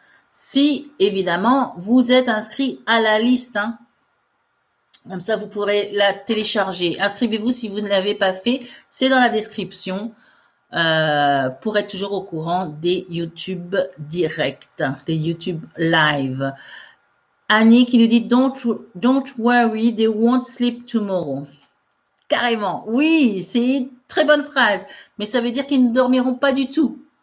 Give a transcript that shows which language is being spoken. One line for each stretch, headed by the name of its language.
French: Si évidemment vous êtes inscrit à la liste, hein. Comme ça, vous pourrez la télécharger. Inscrivez-vous si vous ne l'avez pas fait. C'est dans la description pour être toujours au courant des YouTube directs, des YouTube live. Annie qui nous dit
English: Don't worry, they won't sleep tomorrow.
French: Carrément. Oui, c'est une très bonne phrase. Mais ça veut dire qu'ils ne dormiront pas du tout.